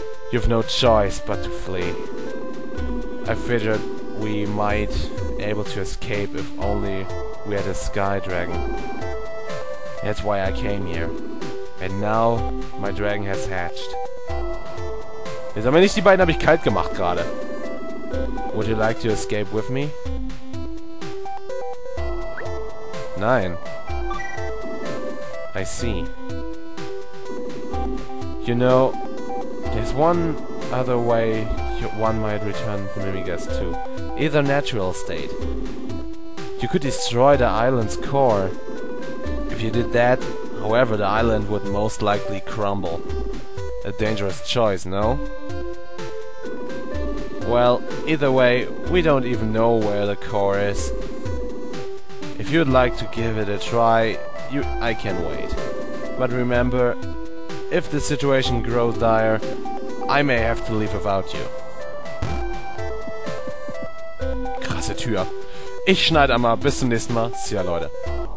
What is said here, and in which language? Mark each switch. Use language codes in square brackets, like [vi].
[en] You've no choice but to flee. I figured we might able to escape if only we had a sky dragon. That's why I came here. And now my dragon has hatched. [de] Jetzt haben wir nicht die beiden, habe ich kalt gemacht gerade. [en] Would you like to escape with me? [de] Nein. [en] I see. You know, there's one other way one might return the Mimigas to. Either natural state. You could destroy the island's core. If you did that, however, the island would most likely crumble. A dangerous choice, no? Well, either way, we don't even know where the core is. If you'd like to give it a try, I can wait. But remember, if the situation grows dire, I may have to leave without you. [de] Krasse Tür. Ich schneide einmal. Bis zum nächsten Mal. [en] See ya, Leute.